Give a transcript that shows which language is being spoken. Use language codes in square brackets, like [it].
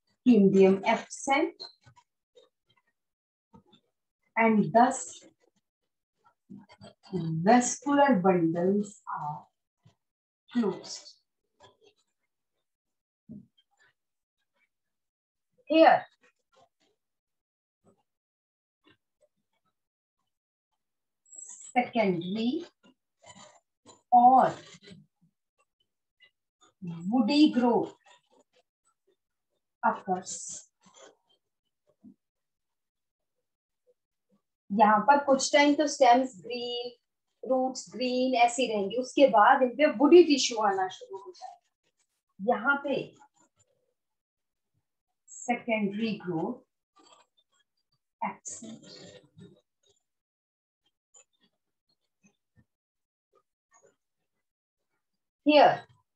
[en] Indium absent and thus vascular bundles are closed. Here secondary or woody growth occurs. [hi] यहां पर कुछ time तो stems green, roots green ऐसी रहेंगी, उसके बाद इन पे वुडी टिश्यू आना शुरू हो जाएगा। यहां पे सेकेंडरी ग्रोथ एब्सेंट, हियर